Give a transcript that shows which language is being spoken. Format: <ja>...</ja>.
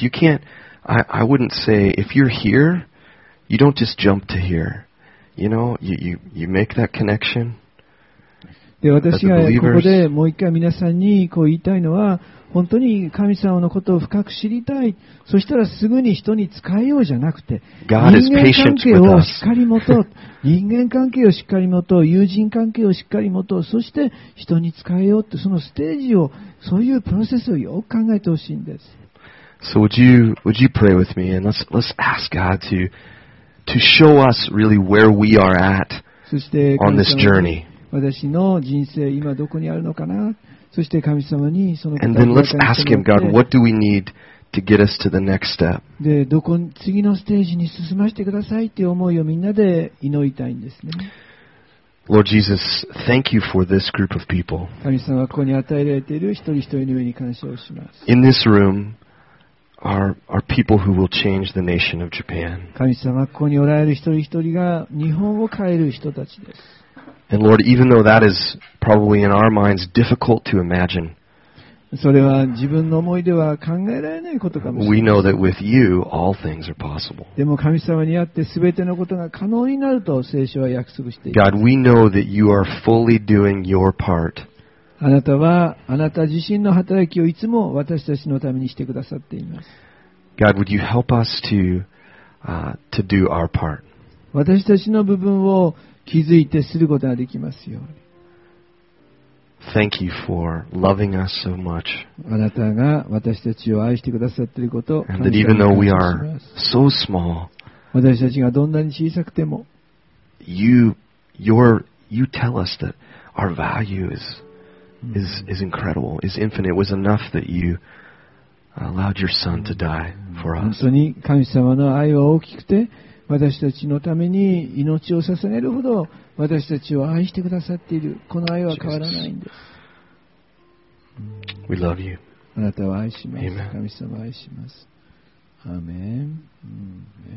<en>You can't, I wouldn't say, if you're here, you don't just jump to here. You know, you make that connection.</en> <ja>で、私がここでもう一回皆さんにこう言いたいのは、本当に神様のことを深く知りたい、そしたらすぐに人に使えようじゃなくて、人間関係をしっかり持とう、人間関係をしっかり持とう、友人関係をしっかり持とう、そして人に使えようって、そのステージを、そういうプロセスをよく考えてほしいんです。</ja> <en>So would you pray with me and let's ask God to show us really where we are at on this journey.</en> <ja>私の人生今どこにあるのかな。そして神様にそのことを伺って、</ja> <en>God, what do we need to get us to the next step?</en> <ja>で、どこ、次のステージに進ませてくださいという思いをみんなで祈りたいんですね。</ja> <en>Lord Jesus, thank you for this group of people.</en> <ja>神様はここに与えられている一人一人の上に感謝をします。</ja> <en>In this room are people who will change the nation of Japan.</en> <ja>神様はここにおられる一人一人が日本を変える人たちです。</ja> <en>And Lord, even though that is probably in our minds difficult to imagine,</en> <ja>それは自分の思いでは考えられないことかもしれない。</ja> <en>We know that with you, all things are possible.</en> <ja>でも神様にあって全てのことが可能になると聖書は約束しています。</ja> <en>God, we know that you are fully doing your part.</en> <ja>あなたはあなた自身の働きをいつも私たちのためにしてくださっています。</ja> <en>God, would you help us to do our part?</en> <ja>私たちの部分を気づいてすることができますように。</ja> <en>Thank you for loving us so much.</en> <ja>あなたが私たちを愛してくださっていることを感謝します。</ja> <en>And even though we are so small,</en> <ja>私たちがどんなに小さくても、</ja> <en>you tell us that our value is incredible, is infinite. It was enough that you allowed your son to die for us.</en> <ja>本当に神様の愛は大きくて、私たちのために命を捧げるほど私たちを愛してくださっている、この愛は変わらないんです。</ja> <en>We love you.</en> <ja>あなたを愛します。神様を愛します。アーメン。</ja>